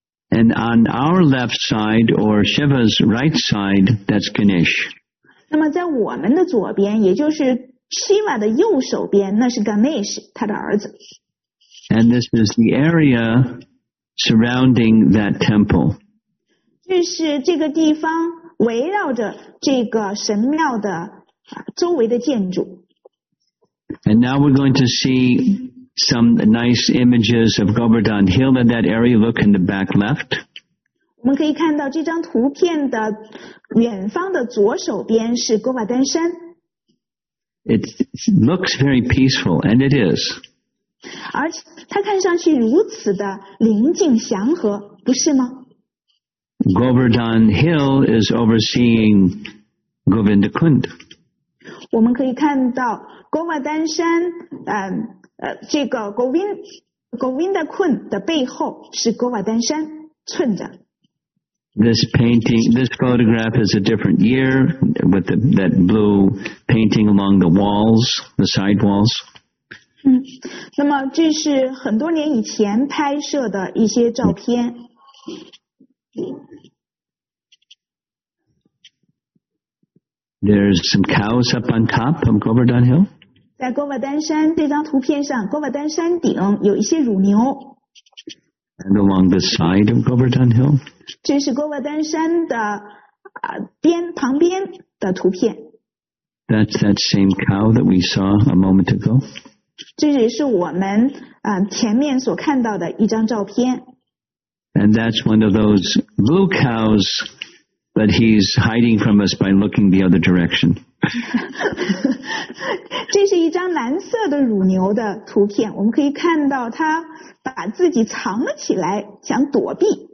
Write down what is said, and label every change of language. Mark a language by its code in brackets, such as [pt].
[en] And on our left side, or Shiva's right side, that's Ganesh. [zh] 那么在我们的左边，也就是 Shiva 的右手边，那是 Ganesh, 他的儿子。 [en] And this is the area surrounding that temple. [zh] 这是这个地方围绕着这个神庙的周围的建筑。 [en] And now we're going to see... Some nice images of Govardhan Hill in that area. Look in the back left. [zh] 我们可以看到这张图片的远方的左手边是 Govardhan 山。 [en] It looks very peaceful, and it is. [zh] 而且它看上去如此的宁静祥和，不是吗？ [en] Govardhan Hill is overseeing Govindakund. [zh] 我们可以看到 Govardhan 山，这个 Govindakund 的背后是 Govardhan 山衬着。 [en] This painting, this photograph is a different year with the, that blue painting along the walls, the side walls. [zh] 那么这是很多年以前拍摄的一些照片。 [en] There's some cows up on top of Govardhan Hill. [zh] 在 Govardhan 山这张图片上 Govardhan 山顶有一些乳牛 [en] And along the side of Govardhan Hill [zh] 这是 Govardhan 山的、边旁边的图片 [en] That's that same cow that we saw a moment ago [zh] 这也是我们、前面所看到的一张照片 [en] And that's one of those blue cows that he's hiding from us by looking the other direction [zh] 这是一张蓝色的乳牛的图片我们可以看到它把自己藏了起来想躲避